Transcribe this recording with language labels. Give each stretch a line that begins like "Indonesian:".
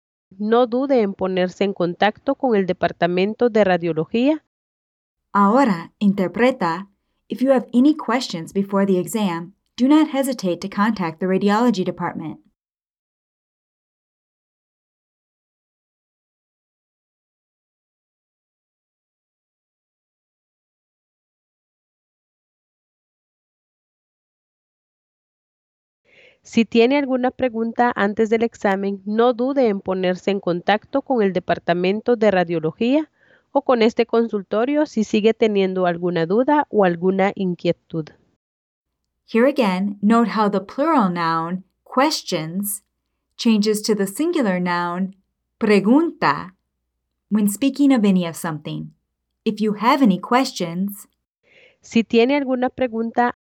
Spanish: no dude en ponerse en contacto con el departamento de radiología. Ahora, interpreta.
English: If you have any questions before the exam, do not hesitate to contact the radiology department.
Spanish: Si tiene alguna pregunta antes del examen, no dude en ponerse en contacto con el departamento de radiología o con este consultorio si sigue teniendo alguna duda o alguna inquietud.
English: Here again, note how the plural noun, questions, changes to the singular noun, pregunta, when speaking of any of something. If you have any questions,
Spanish: si tiene alguna pregunta.